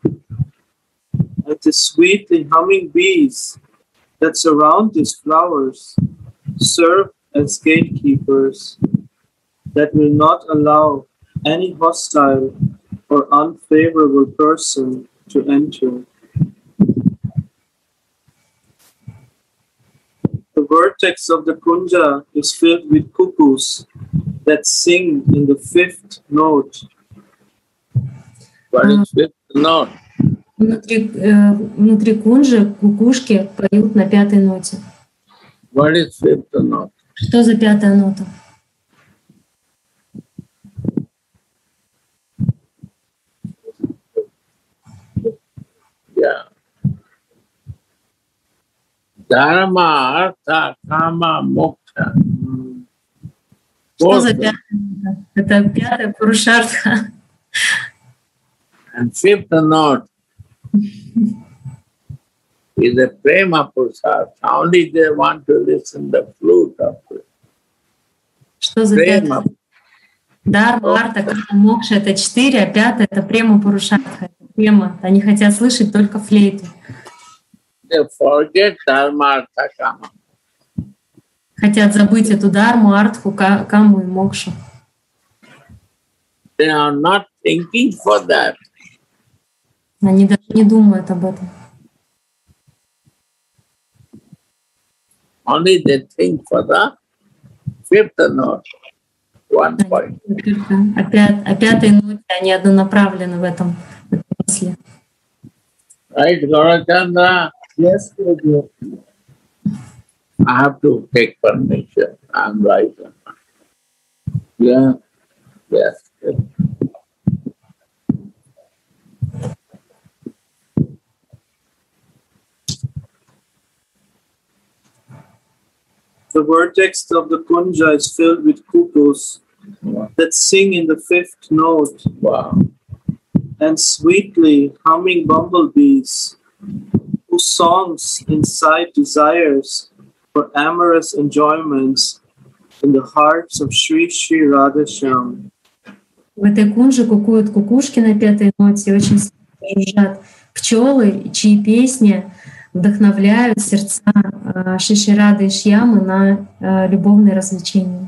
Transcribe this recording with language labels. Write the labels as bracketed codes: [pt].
[en] And the sweetly humming bees that surround these flowers serve as gatekeepers that will not allow any hostile or unfavorable person to enter. The vertex of the kunja is filled with cuckoos that sing in the fifth note. What is fifth note? [ru] Внутри кунжи кукушки поют на пятой ноте. [en] What is fifth note? [ru] Что за пятая нота? [en] Yeah. [sa] Dharma, artha, kama, moksha. [ru] Что за пятая нота? Это пятая пурушартха. [en] And fifth note. Is a prema purusartha. Only they want to listen the flute of it. [ru] Что за према? Дарма, арта, карма, мокша — это четыре, а пятая — это према пурушартха. Према. Они хотят слышать только флейту. [en] They forget дарма, арта, карма. [ru] Хотят забыть эту дарму, артху, карму и мокшу. [en] They are not thinking for that. [ru] Они даже не думают об этом. [en] Only they think for the fifth note, one point. [ru] О пятой ноте они однонаправлены в этом смысле. [en] Right, Гарачандра? Yes, Прабху. I have to take permission. I'm right. Yeah, yes. The vertex of the kunja is filled with cuckoos that sing in the fifth note. Wow. And sweetly humming bumblebees whose songs incite desires for amorous enjoyments in the hearts of Sri Sri Radha Shyam. [ru] В этой кунже кукуют кукушки на пятой ноте, очень жужжат пчелы, чьи песни вдохновляют сердца Шишрады и Шьямы на любовные развлечения.